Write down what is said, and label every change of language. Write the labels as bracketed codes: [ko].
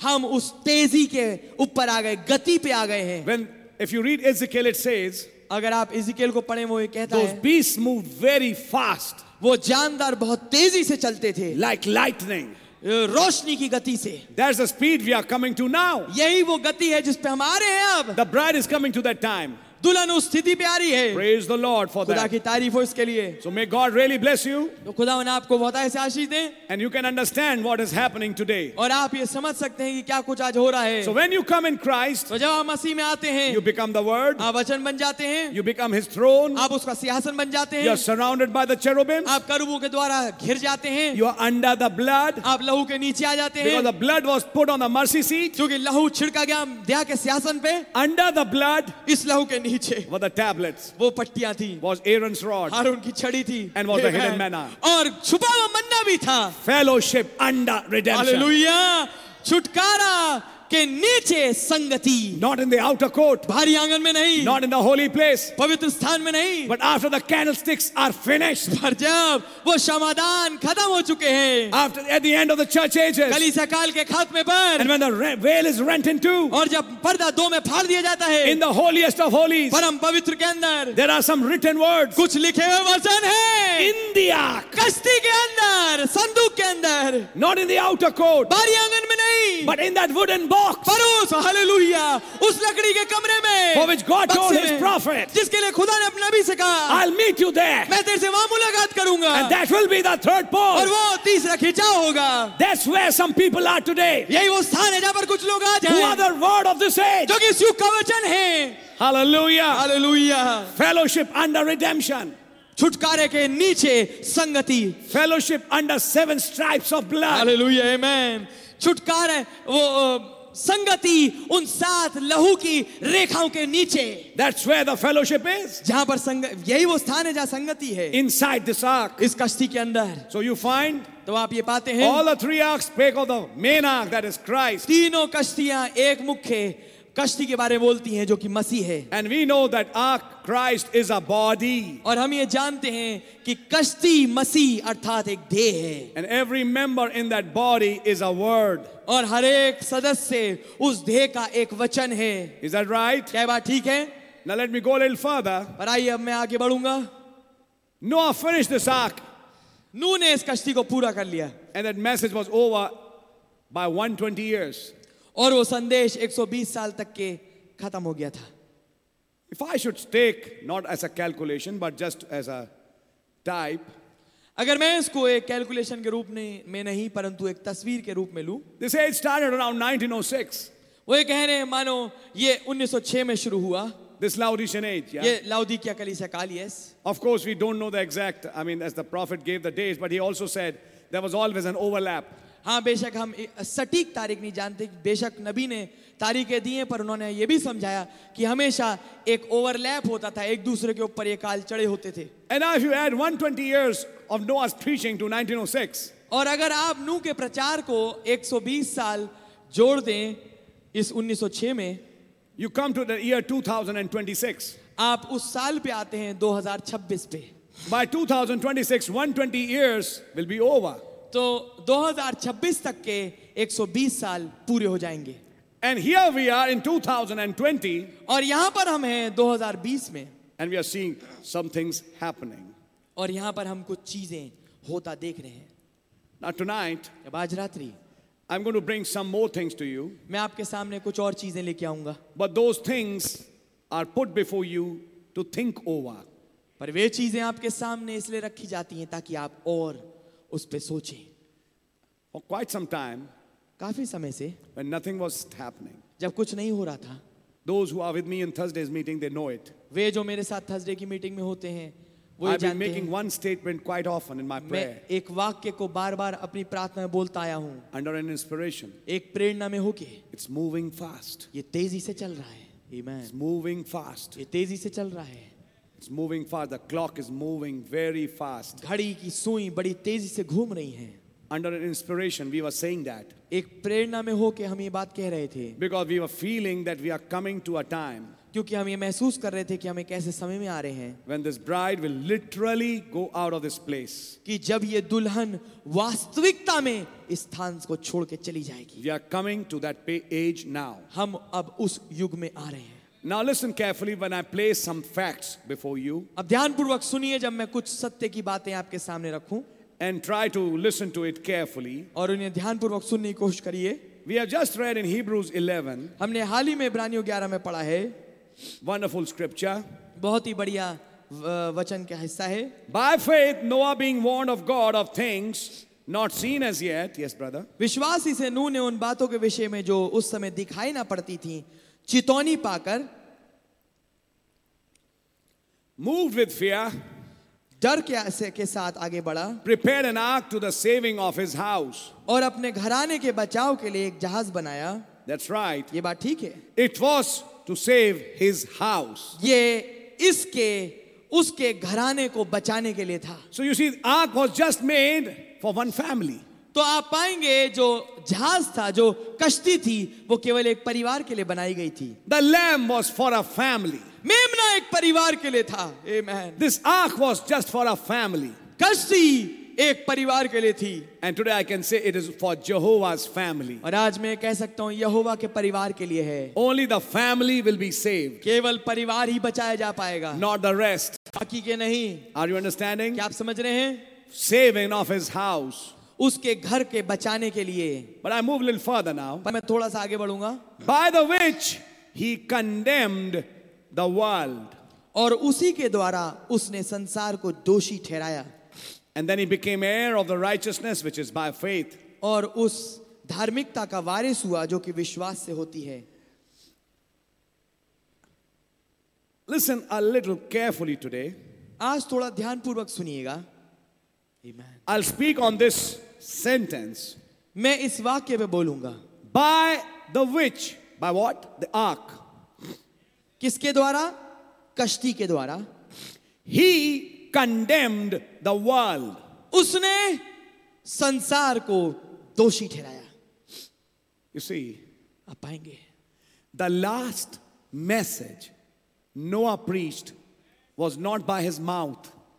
[hi] हम उस तेजी के ऊपर आ गए, गति पे आ गए हैं. [en] When if you read Ezekiel, it says. [hi] अगर आप इजिकेल को पढ़ें वो ये कहता है, [en] Those beasts moved very fast, [hi] वो जानदार बहुत तेजी से चलते थे, [en] like lightning, [hi] रोशनी की गति से. [en] That's the speed we are coming to now. [hi] यही वो गति है जिस पे हम आ रहे हैं अब. [en] The bride is coming to that time. [hi] दुल्हन उस स्थिति पे आ रही है. [en] Praise the Lord for [hi] खुदा [en] that. [hi] की तारीफ हो इसके लिए. [en] So may God really bless you. [hi] तो खुदा ने आपको बहुत ऐसे आशीष दे. [en] And you can understand what is happening today. [hi] और आप ये समझ सकते हैं कि क्या कुछ आज हो रहा है. [en] So when you come in Christ, [hi] तो जब आप मसीह में आते हैं, [en] you become the word, [hi] आप वचन बन जाते हैं, [en] you become his throne, [hi] आप उसका सिंहासन बन जाते हैं, [en] you are surrounded by the cherubim, [hi] आप करूबों के द्वारा घिर जाते हैं, [en] you are under the blood, [hi] आप लहू के नीचे आ जाते हैं, [en] because the blood was put on the mercy seat, [hi] क्योंकि लहू छिड़का गया दया के सिंहासन पे, [en] under the blood, [hi] इस लहू के [en] Were the tablets? [hi] वो पट्टियाँ थीं. [en] Was Aaron's rod? [hi] हारून की छड़ी थी. [en] And was the hidden manna? [hi] और छुपा हुआ मन्ना भी था. [en] Fellowship under redemption. [hi] Hallelujah! छुटकारा के नीचे संगति. [en] Not in the outer court. [hi] भारी आंगन में नहीं. [en] Not in the holy place. [hi] पवित्र स्थान में नहीं. [en] But after the candlesticks are finished. [hi] पर जब वो शमादान खत्म हो चुके हैं. [en] After at the end of the church ages. [hi] कलीसिया काल के खात्मे पर. [en] And when the veil is rent in two. [hi] और जब पर्दा दो में फाड़ दिया जाता है. [en] In the holiest of holies. [hi] परम पवित्र के अंदर. [en] There are some written words. [hi] कुछ लिखे हुए वचन हैं. [en] In the ark. [hi] कश्ती के अंदर, संदूक के अंदर. [en] Not in the outer court. [hi] भारी आंगन में नहीं. [en] But in that wooden box. [hi] Hallelujah! उस लकड़ी के कमरे में, [en] for which God told His prophet, [hi] जिसके लिए खुदा ने अपने नबी से कहा, [en] I'll meet you there. [hi] मैं तेरे से वहाँ मुलाकात करूँगा. [en] And that will be the third pole. [hi] और वो तीसरा खिंचाव होगा. [en] That's where some people are today. [hi] यही वो स्थान है जहाँ पर कुछ लोग आज हैं. [en] Who are the word of this age? [hi] जो कि इस युग का वचन है. [en] Hallelujah! Hallelujah! Fellowship under redemption. [hi] छुटकारे के नीचे संगति. [en] Fellowship under seven stripes of blood. Hallelujah! Amen. [hi] छुटकारे वो संगति उन सात लहू की रेखाओं के नीचे. [en] That's where the fellowship is. [hi] जहाँ पर यही वो स्थान है जहाँ संगति है. [en] Inside this ark. [hi] इस कश्ती के अंदर. [en] So you find. [hi] तो आप ये पाते हैं. [en] All the three arks speak of the main ark that is Christ. [hi] तीनों कश्तियाँ एक मुख्य कश्ती के बारे में बोलती हैं जो कि मसीह है. [en] And we know that ark Christ is a body. [hi] और हम ये जानते हैं कि कश्ती मसीह अर्थात एक देह है. [en] And every member in that body is a word. [hi] और हर एक सदस्य उस देह का एक वचन है. [en] Is that right? [hi] क्या बात ठीक है? [en] Now let me go a little further. [hi] पर आइए अब मैं आगे बढ़ूंगा. [en] Noah finished this ark. [hi] नूह ने इस कश्ती को पूरा कर लिया. [en] And that message was over by 120 years. [hi] और वो संदेश 120 साल तक के खत्म हो गया था. [en] If I should take not as a calculation but just as a type. [hi] अगर मैं इसको एक कैलकुलेशन के रूप में नहीं परंतु एक तस्वीर के रूप में लूं. [en] They say it started around 1906. [hi] वो ये कह रहे हैं मानो ये 1906 में शुरू हुआ. [en] This Laodicean age, yeah. [hi] ये लाओदिकिया कलीसिया काल, [en] yes. Of course, we don't know the exact. I mean, as the prophet gave the days, but he also said there was always an overlap. [hi] हाँ, बेशक हम सटीक तारीख नहीं जानते. बेशक नबी ने तारीखें दी हैं, पर उन्होंने ये भी समझाया कि हमेशा एक ओवरलैप होता था, एक दूसरे के ऊपर ये काल चढ़े होते थे. [en] And now, if you add 120 years of Noah's preaching to 1906, [hi] और अगर आप नूह के प्रचार को 120 साल जोड़ दें इस 1906 में. [en] You come to the year 2026. [hi] आप उस साल पे आते हैं 2026 पे. [en] By 2026, 120 years will be over. [hi] तो 2026 तक के 120 साल पूरे हो जाएंगे. [en] And here we are in 2020. [hi] और यहाँ पर हम हैं 2020 में. [en] And we are seeing some things happening. [hi] और यहाँ पर हम कुछ चीजें होता देख रहे हैं. [en] Now tonight. [hi] अब आज रात्रि. [en] I'm going to bring some more things to you. [hi] मैं आपके सामने कुछ और चीजें लेके आऊंगा. [en] But those things are put before you to think over. [hi] पर वे चीजें आपके सामने इसलिए रखी जाती हैं ताकि आप और उस पे सोचें. [en] For quite some time. [hi] काफी समय से. [en] When nothing was happening. [hi] जब कुछ नहीं हो रहा था. [en] Those who are with me in Thursday's meeting, they know it. [hi] वे जो मेरे साथ थर्सडे की मीटिंग में होते हैं. [en] I've been making one statement quite often in my prayer. [hi] मैं एक वाक्य को बार-बार अपनी प्रार्थना में बोलता आया हूँ. [en] Under an inspiration. [hi] एक प्रेरणा में होके. [en] It's moving fast. [hi] ये तेजी से चल रहा है. Amen. [en] It's moving fast. [hi] ये तेजी से चल रहा है. [en] It's moving fast. The clock is moving very fast. [hi] घड़ी की सुई बड़ी तेजी से घूम रही है. [en] Under an inspiration, we were saying that. [hi] एक प्रेरणा में होके हम ये बात कह रहे थे. [en] Because we were feeling that we are coming to a time. [hi] क्योंकि हम ये महसूस कर रहे थे कि हम एक ऐसे समय में आ रहे हैं. [en] When this bride will literally go out of this place. [hi] कि जब ये दुल्हन वास्तविकता में इस स्थान को छोड़ के चली जाएगी. [en] We are coming to that age now. [hi] हम अब उस युग में आ रहे हैं. [en] Now listen carefully when I place some facts before you. [hi] अब ध्यानपूर्वक सुनिए जब मैं कुछ सत्य की बातें आपके सामने रखूं. [en] And try to listen to it carefully. [hi] और उन्हें ध्यानपूर्वक सुनने की कोशिश करिए. [en] We have just read in Hebrews 11. [hi] हमने हाल ही में इब्रानियों 11 में पढ़ा है. [en] Wonderful scripture. [hi] बहुत ही बढ़िया वचन का हिस्सा है. [en] By faith Noah being warned of God of things not seen as yet. Yes brother. [hi] विश्वास ही से नूह ने उन बातों के विषय में जो उस समय दिखाई ना पड़ती थी चेतावनी पाकर. [en] Moved with fear. [hi] डर के साथ आगे बढ़ा. [en] Prepared an ark to the saving of his house. [hi] और अपने घराने के बचाव के लिए एक जहाज बनाया. [en] That's right. [hi] ये बात ठीक है. [en] It was to save his house. [hi] ये इसके उसके घराने को बचाने के लिए था. [en] So you see, ark was just made for one family. [hi] तो आप पाएंगे जो जहाज था, जो कश्ती थी, वो केवल एक परिवार के लिए बनाई गई थी. [en] The lamb was for a family. [hi] मेमना एक परिवार के लिए था. [en] Amen. This ark was just for a family. [hi] कश्ती एक परिवार के लिए थी. [en] And today I can say it is for Jehovah's family. [hi] और आज मैं कह सकता हूँ यहोवा के परिवार के लिए है. [en] Only the family will be saved. [hi] केवल परिवार ही बचाया जा पाएगा. [en] Not the rest. [hi] बाकी के नहीं. [en] Are you understanding? [hi] क्या आप समझ रहे हैं? [en] Saving of his house. [hi] उसके घर के बचाने के लिए. [en] But I move a little further now. [hi] पर मैं थोड़ा सा आगे बढ़ूंगा. [en] By the which he condemned the world. [hi] और उसी के द्वारा उसने संसार को दोषी ठहराया. [en] And then he became heir of the righteousness which is by faith. [hi] और उस धार्मिकता का वारिस हुआ जो कि विश्वास से होती है. [en] Listen a little carefully today. [hi] आज थोड़ा ध्यानपूर्वक सुनिएगा. [en] Amen. I'll speak on this sentence. [hi] मैं इस वाक्य पे बोलूंगा. [en] By the which, by what? The ark. [hi] किसके द्वारा? कश्ती के द्वारा. [en] He condemned the world. [hi] उसने संसार को दोषी ठहराया. [en] You see, [hi] आप पाएंगे. [en] The last message Noah preached was not by his mouth.